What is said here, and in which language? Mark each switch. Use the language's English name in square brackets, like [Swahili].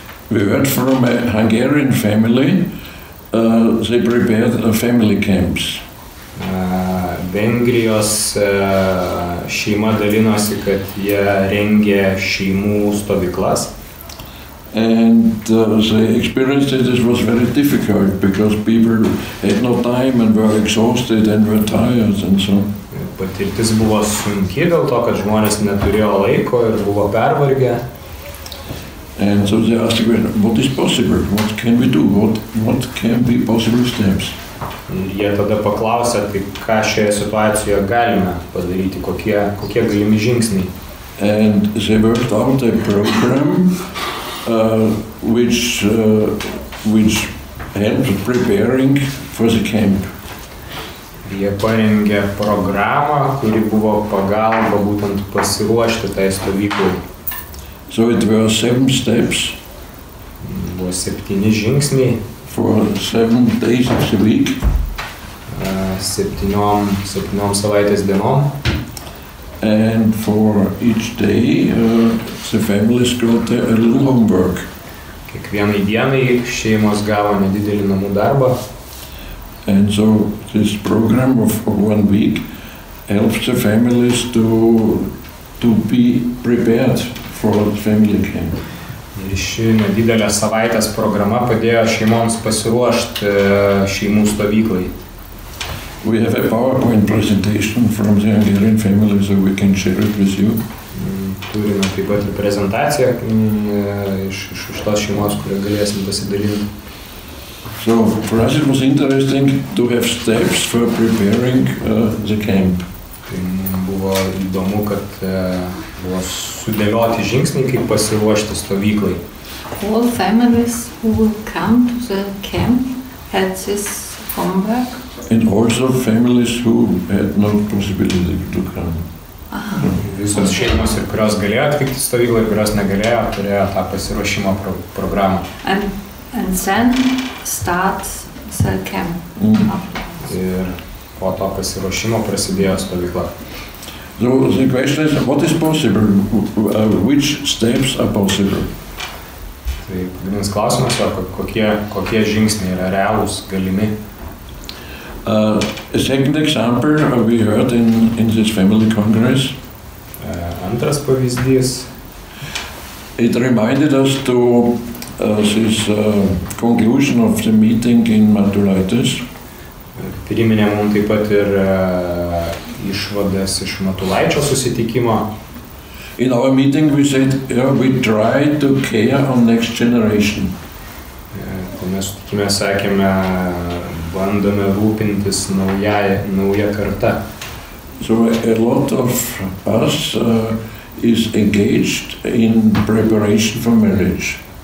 [English] We went from a Hungarian family, they prepared a family camps. [Lithuanian] Vengrijos šeima dalinosi, kad jie rengė šeimų stovyklas. [English] And the experience that this was very difficult because people had no time and were exhausted and were tired and so. [Lithuanian] Patirtis buvo sunki dėl to, kad žmonės neturėjo laiko ir buvo pervargę. [English] And so they asked, well, what is possible? What can we do? What can be possible steps? [Lithuanian] Ir jie tada paklausė, tai ką šioje situacijoje galime padaryti, kokie galimi žingsniai. [English] And they worked out a program which helped preparing for the camp. [Lithuanian] Jie parengė programą, kuri buvo pagalba būtent pasiruošti tai stovyklai. [English] So it were 7 steps. [Lithuanian] Buvo 7 žingsniai. [English] For 7 days of the week. [Lithuanian] 7 savaitės dienom. [English] And for each day the families got a little homework. [Lithuanian] Kiekvienai dienai šeimos gavo nedidelį namų darbą. [English] And so this program of 1 week helps the families to be prepared for the family camp. [Lithuanian] Ir ši nedidelė savaitės programa padėjo šeimoms pasiruošti šeimų stovyklai. [English] We have a PowerPoint presentation from the Hungarian family, so we can share it with you. [Lithuanian] Turime taip pat ir prezentaciją iš tos šeimos, kurią galėsim pasidalinti. [English] So, for us it was interesting to have steps for preparing the camp. [Lithuanian] Tai buvo įdomu, kad buvo sudėlioti žingsniai, kaip pasiruošti stovyklai. [English] All families who will come to the camp had this homework. And also families who had no possibility to come. [Lithuanian] Visos šeimos, kurios galėjo atvykti stovyklą, kurios negalėjo, turėjo tą pasiruošimo programą. [English] And then starts the camp. [Lithuanian] Ir po to pasiruošimo prasidėjo stovykla. [English] So the question is, what is possible? Which steps are possible? [Lithuanian] Tai pagrindinis klausimas, kokie žingsniai yra realūs, galimi. [English] A second example we heard in this family congress. [Lithuanian] Antras pavyzdys. [English] It reminded us to this conclusion of the meeting in Matulaitis. [Lithuanian] Priminė mums taip pat ir išvadas iš Matulaičio susitikimo. [English] In our meeting we said we try to care on next generation. [Lithuanian] Mes tikime sakėme bandome rūpintis nauja karta. [English] So a lot of us is engaged in preparation for marriage.